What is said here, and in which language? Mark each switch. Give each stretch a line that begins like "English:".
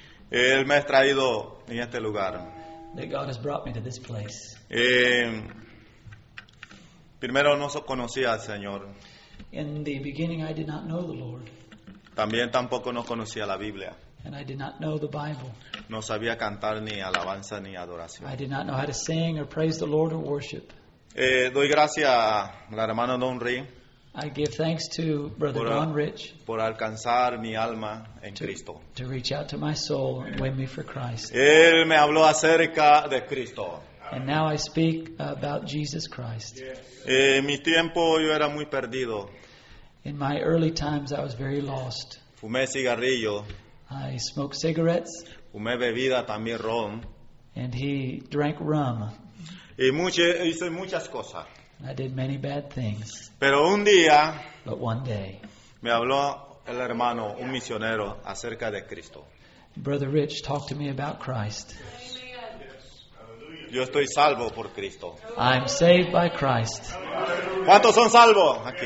Spanish: Él me ha traído en este lugar.
English: That God has brought me to this place.
Spanish: Primero no conocía al Señor.
English: In the beginning, I did not know the Lord.
Spanish: También tampoco no conocía la Biblia.
English: And I did not know the Bible.
Spanish: No sabía cantar ni alabanza ni adoración.
English: I did not know how to sing or praise the Lord or worship.
Spanish: Doy gracias a la hermana Don Rich.
English: I give thanks to Brother Don Rich.
Spanish: Por alcanzar mi alma en Cristo.
English: To reach out to my soul and win me for Christ.
Spanish: Él me habló acerca de Cristo.
English: And now I speak about Jesus Christ.
Spanish: Mi tiempo yo era muy perdido.
English: In my early times I was very lost.
Spanish: Fumé cigarrillo.
English: I smoked cigarettes.
Spanish: Fumé bebida también ron.
English: And he drank rum.
Spanish: Y hice muchas cosas.
English: I did many bad things.
Spanish: Pero un día,
English: but one day,
Spanish: me habló el hermano, un misionero, acerca de Cristo.
English: Brother Rich talked to me about Christ.
Spanish: Yo estoy salvo por Cristo.
English: I'm saved by Christ.
Spanish: ¿Cuántos son salvos aquí?